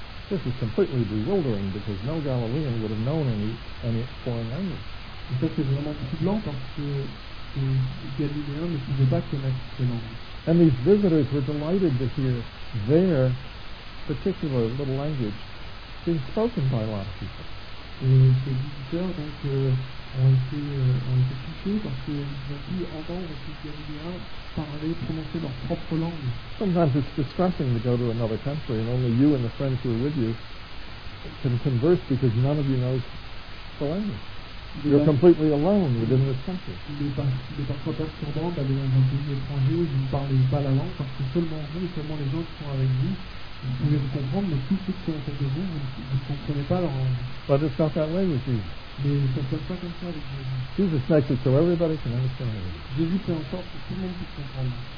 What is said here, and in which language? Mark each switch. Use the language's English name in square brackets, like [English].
[English] This is completely bewildering because no Galilean would have known any foreign language. [French] En fait, c'est vraiment troublant parce que les Galiléens ne pouvaient pas connaître ces langues. [English] And these visitors were delighted to hear their particular little language being spoken by a lot of people. [French] Et ces visiteurs donc ont été touchés parce qu'ils ont pu entendre ces Galiléens parler, prononcer leur propre langue. [English] Sometimes it's distressing to go to another country and only you and the friends who are with you can converse because none of you knows the language. You're completely alone within this country. [French] C'est parfois perturbant d'aller dans un pays étranger où vous ne parlez pas la langue parce que seulement vous et seulement les autres sont avec vous. Vous pouvez vous comprendre, mais tous ceux qui sont autour de vous, vous ne comprenez pas leur langue. [English] But it's not that way with you. [French] Mais ça ne se passe pas comme ça avec Jésus. [English] Jesus makes it so everybody can understand it. [French] Jésus fait en sorte que tout le monde puisse comprendre.